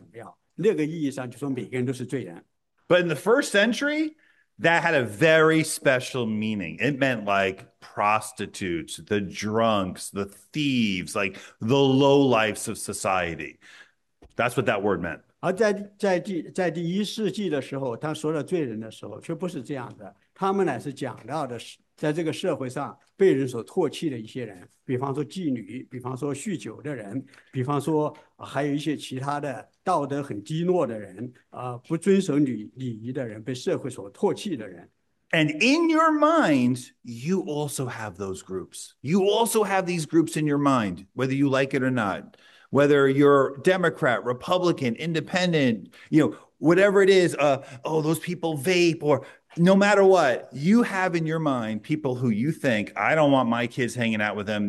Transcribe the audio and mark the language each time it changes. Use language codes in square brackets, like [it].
[zh] 当我们说这个罪人的时候，和我们现在这个意义有点不一样，因为我们现在说我们是罪人的时候，我们就说我们违反了神的律法，我们没有达到神的心意，世人都犯了罪，亏缺了神的荣耀。那个意义上就说每个人都是罪人。 [en] But in the first century, that had a very special meaning. It meant like prostitutes, the drunks, the thieves, like the lowlifes of society. That's what that word meant. [zh] 而在第一世纪的时候，他说的罪人的时候，却不是这样的。他们乃是讲到的是，在这个社会上被人所唾弃的一些人，比方说妓女，比方说酗酒的人，比方说还有一些其他的道德很低落的人，不遵守礼仪的人，被社会所唾弃的人。 [en] And in your mind, you also have those groups. You also have these groups in your mind, whether you like it or not. Whether you're Democrat, Republican, Independent, you know, whatever it is, oh, those people vape, or no matter what, you have in your mind people who you think, I don't want my kids hanging out with them.